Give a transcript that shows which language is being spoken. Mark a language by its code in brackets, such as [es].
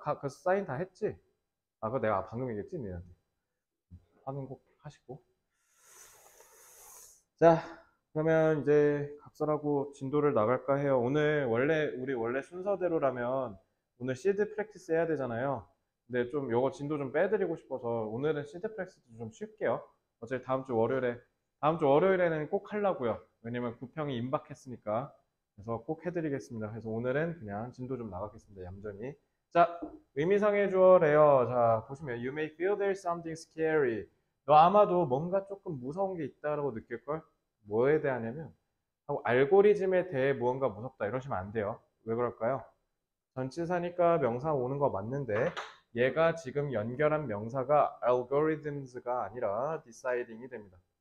[ko] 그 사인 다 했지? 아 그거 내가 방금 얘기했지 니한테 확인 꼭 하시고 자 그러면 이제 각설하고 진도를 나갈까 해요 오늘 원래 우리 원래 순서대로라면 오늘 시드 프랙티스 해야 되잖아요. 근데 좀 요거 진도 좀 빼드리고 싶어서 오늘은 시드 프랙티스 좀 쉴게요. 어차피 다음 주 월요일에는 꼭 하려고요. 왜냐면 구평이 임박했으니까. 그래서 꼭 해드리겠습니다. 그래서 오늘은 그냥 진도 좀 나가겠습니다. 얌전히. 자, 의미상의 주어 레어. 자, 보시면 [en] You may feel there's something scary. [ko] 너 아마도 뭔가 조금 무서운 게 있다라고 느낄걸? 뭐에 대하냐면 하고 알고리즘에 대해 무언가 무섭다 이러시면 안 돼요. 왜 그럴까요? 전치사니까 명사 오는 거 맞는데 얘가 지금 연결한 명사가 algorithms가 아니라 deciding이 됩니다.